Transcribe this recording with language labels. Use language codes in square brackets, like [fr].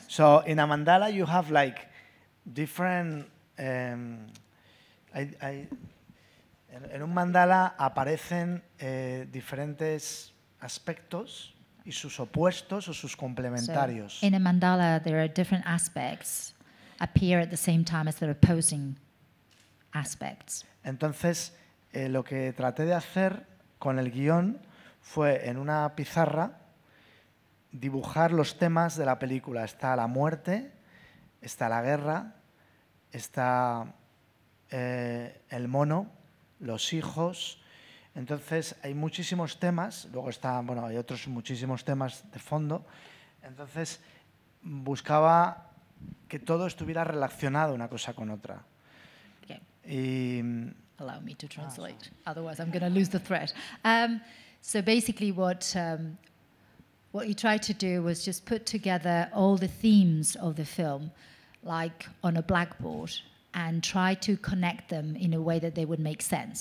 [en] So in a mandala, you have like different, [es] en un mandala aparecen diferentes aspectos y sus opuestos o sus complementarios. [en] So, in a mandala, there are different aspects appear at the same time as the opposing aspects. [es] Entonces, lo que traté de hacer con el guión fue en una pizarra dibujar los temas de la película. Está la muerte, está la guerra, está el mono, los hijos. Entonces hay muchísimos temas, luego están, bueno, hay otros muchísimos temas de fondo. Entonces buscaba que todo estuviera relacionado una cosa con otra. [en] Okay. Allow me to translate, otherwise I'm going to lose the thread. So basically what you tried to do was just put together all the themes of the film like on a blackboard and try to connect them in a way that they would make sense.